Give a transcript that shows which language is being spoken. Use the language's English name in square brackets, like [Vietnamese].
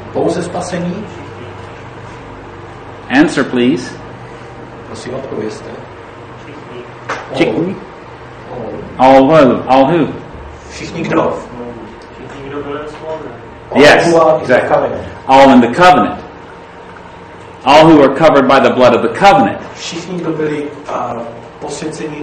[Czech] Pouze spasení? [English] Answer, please. [Czech] Prosím, odpověste. Všichni? [English] All who? [Czech] Všichni kdo? Všichni kdo byli v smlouvě. [English] Yes, exactly. All in the covenant. All who are covered by the blood of the covenant. [Czech] Všichni kdo byli posvěcení.